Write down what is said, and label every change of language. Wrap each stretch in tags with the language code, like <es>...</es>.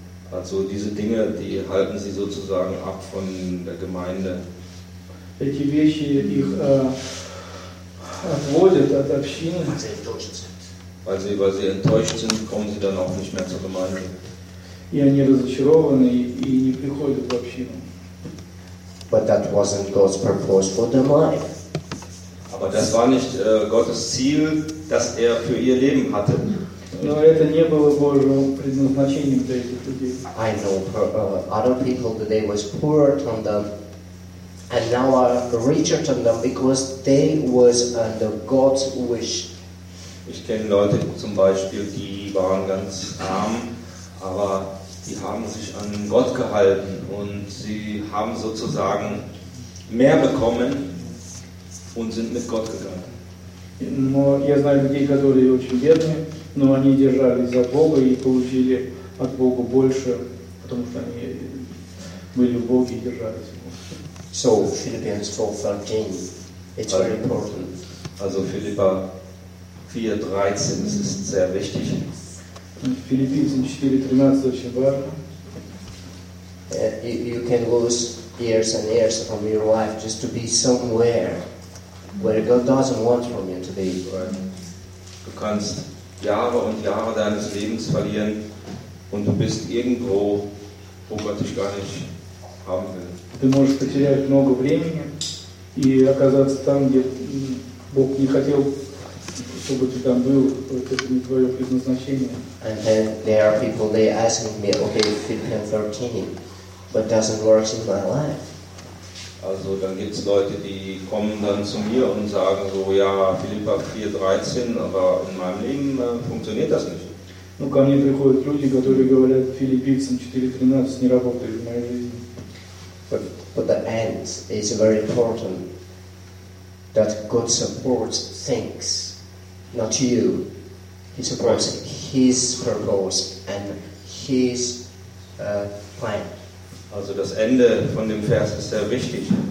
<de>Also diese Dinge, die halten sie sozusagen ab von der Gemeinde.</de> <ru>Эти вещи их отводят от общины.</ru> <de>Weil sie enttäuscht sind, kommen sie dann auch nicht mehr zur Gemeinde.</de> <ru>И они разочарованы и не приходят в общину.</ru> <en>But that wasn't God's purpose for them life.</en> <de>Aber das war nicht Gottes Ziel, das er für ihr Leben hatte.</de> <ru>Но это не было Божьим предназначением для этих людей.</ru> <en>I know other people that they was poorer than them, and now are richer than them because they was under God's wish.</en> <de>Ich kenne Leute zum Beispiel, die waren ganz arm, aber die haben sich an Gott gehalten und sie haben sozusagen mehr bekommen. Und sind mit Gott gegangen.</de> <ru>Но я знаю людей, которые очень бедны, но они держались за Бога и получили от Бога больше, потому что они были в Боге и держались.</ru> <en>So Philippians 4:13, it's very important.</en> <de>Also Philippa 4:13, es ist sehr wichtig.</de> <ru>Philippians 4:13 очень важно.</ru> <en>You can lose years and years of your life just to be somewhere. Where God doesn't want from you to be. Right.</en> <de>Du kannst Jahre und Jahre deines Lebens verlieren und du bist irgendwo, wo Gott dich gar nicht haben will.</de> <ru>Ты можешь потерять много времени и оказаться там, где Бог не хотел, чтобы ты там был. Это не твое предназначение.</ru> <en>And then there are people, they ask me, okay, 15, 13, but doesn't work in my life.</en> <de>Also dann gibt es Leute, die kommen dann zu mir und sagen so, ja, Philippa 4:13, aber in meinem Leben funktioniert das nicht.</de> <ru>Ну, ко мне приходят люди, которые говорят, Филиппийцам 4:13 не работает в моей жизни.</ru> <en>But the end is very important, that God supports things, not you. He supports His purpose and His plan.</en> <de>Also das Ende von dem Vers ist sehr wichtig.</de>